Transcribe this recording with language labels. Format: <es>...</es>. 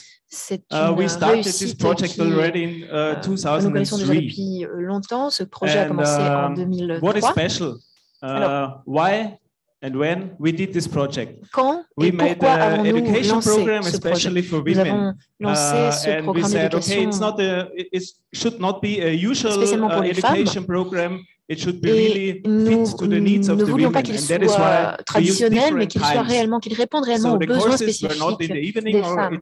<fr>C'est une réussite qui nous connaissons déjà depuis longtemps. Ce projet a commencé en 2003.</fr> <en>What is special? Why and when we did this project?</en> <fr>Quand et pourquoi avons-nous lancé ce projet? Nous avons lancé ce programme d'éducation.</fr> <en>Okay, it's not a, it should not be a usual education program. It should be really fit to the needs of the women.</en> <fr>Nous ne voulions pas qu'il soit traditionnel, mais qu'il soit réellement, qu'il réponde réellement aux besoins spécifiques des femmes.</fr>